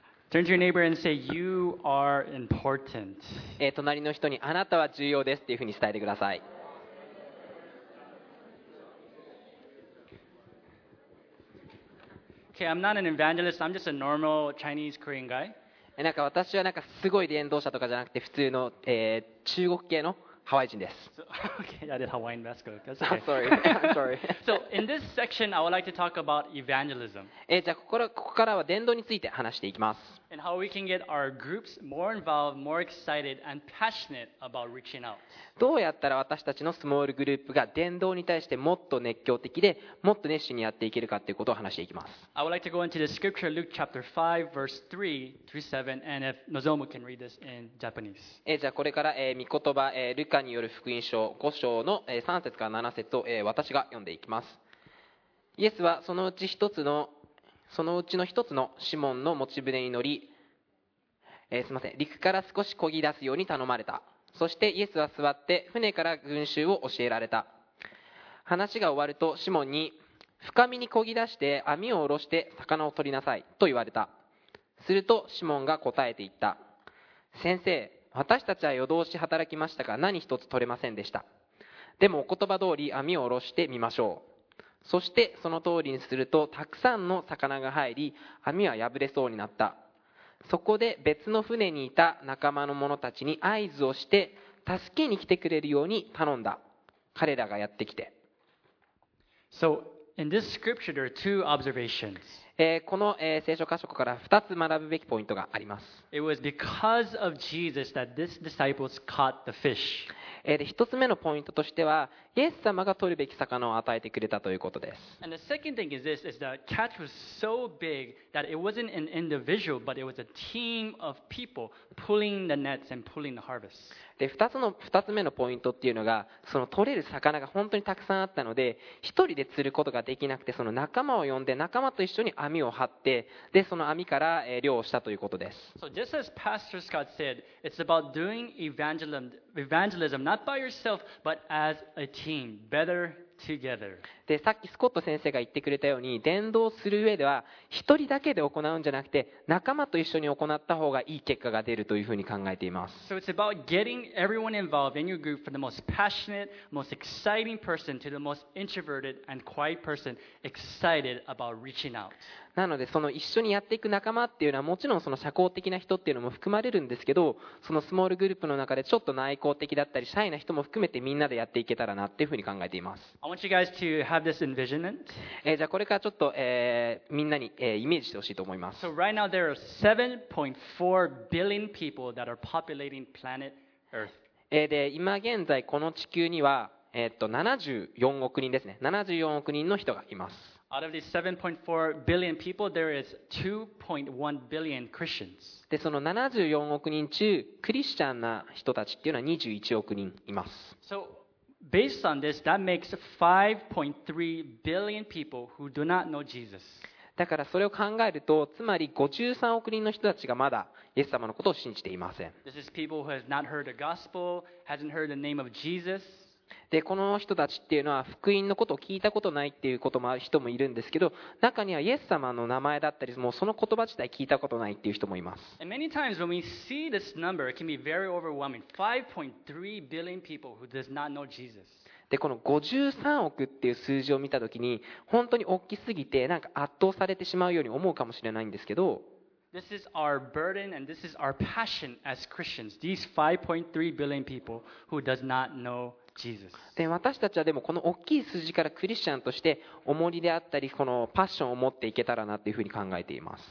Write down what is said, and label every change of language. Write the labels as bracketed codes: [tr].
[en] Turn to your neighbor and say, "You are important." [ja] 隣の人にあなたは重要ですっていうふうに伝えてください。 [en] Okay, I'm not an evangelist. I'm just a normal Chinese Korean guy. [ja] なんか私はなんかすごい伝道者とかじゃなくて普通の、中国系のハワイ人です。 [en] So, okay, I did Hawaiian mask. That's okay. I'm sorry. So in this section, I would like to talk about evangelism. [ja] じゃあここからは伝道について話していきます。 [en] And how we can get our groups more involved, more excited, and passionate about reaching out. [ja] どうやったら私たちのスモールグループが伝道に対してもっと熱狂的でもっと熱心にやっていけるかということを話していきます。 [en] I would like to go into the scripture, Luke chapter 5, verse 3-7, and if Nozomu can read this in Japanese. [ja] じゃあこれから御言葉ルカによる福音書5章の3節から7節を私が読んでいきます。イエスはそのうちの一つのシモンの持ち船に乗り、すみません、陸から少し漕ぎ出すように頼まれた。そしてイエスは座って船から群衆を教えられた。話が終わるとシモンに、深みに漕ぎ出して網を下ろして魚を取りなさいと言われた。するとシモンが答えて言った。先生、私たちは夜通し働きましたが何一つ取れませんでした。でもお言葉通り網を下ろしてみましょう。そしてその通りにするとたくさんの魚が入り網は破れそうになった。そこで別の船にいた仲間の者たちに合図をして助けに来てくれるように頼んだ。彼らがやってきて。 [en] So in this scripture there are two observations. [ja] この聖書箇所から2つ学ぶべきポイントがあります。 [en] It was because of Jesus that these disciples caught the fish. [ja] で、1つ目のポイントとしては、イエス様が取るべき魚を与えてくれたということです。 2つ目のポイントっていうのが、その取れる魚が本当にたくさんあったので、一人で釣ることができなくて、その仲間を呼んで仲間と一緒に網を張って、でその網から漁をしたということです。 [en] So just as Pastor Scott said, it's about doing evangelism not by yourself but as a team, better together. [ja] でさっきスコット先生が言ってくれたように、伝道する上では一人だけで行うんじゃなくて、仲間と一緒に行った方がいい結果が出るというふうに考えています。 [en] So it's about getting everyone involved in your group from the most passionate, most exciting person to the most introverted and quiet person excited about reaching out. [ja] なのでその一緒にやっていく仲間っていうのは、もちろんその社交的な人っていうのも含まれるんですけど、そのスモールグループの中でちょっと内向的だったりシャイな人も含めて、みんなでやっていけたらなっていうふうに考えています。 [en] I want you guys to have this envisionment. [ja] じゃあこれからちょっと、みんなに、イメージしてほしいと思います。 [en] So right now there are 7.4 billion people that are populating planet Earth. [ja] で今現在この地球には、74億人ですね。 74億人の人がいます。 [en] Out of these 7.4 billion people, there is 2.1 billion Christians. [ja] で、その74億人中、クリスチャンな人たちっていうのは21億人います。 [en] So, based on this, that makes 5.3 billion people who do not know Jesus. [ja] だからそれを考えると、つまり53億人の人たちがまだイエス様のことを信じていません。 [en] This is people who have not heard the gospel, hasn't heard the name of Jesus. [ja] でこの人たちっていうのは福音のことを聞いたことないっていうこともある人もいるんですけど、中にはイエス様の名前だったり、もうその言葉自体聞いたことないっていう人もいます。 [en] And many times when we see this number, it can be very overwhelming. 5.3 billion people who does not know Jesus. [ja] でこの53億っていう数字を見たときに、本当に大きすぎて、なんか圧倒されてしまうように思うかもしれないんですけど、 [en] This is our burden and this is our passion as Christians. These 5.3 billion people who does not knowJesus. [ja] で私たちはでもこの大きい数字からクリスチャンとして重りであったり、このパッションを持っていけたらなというふうに考えています。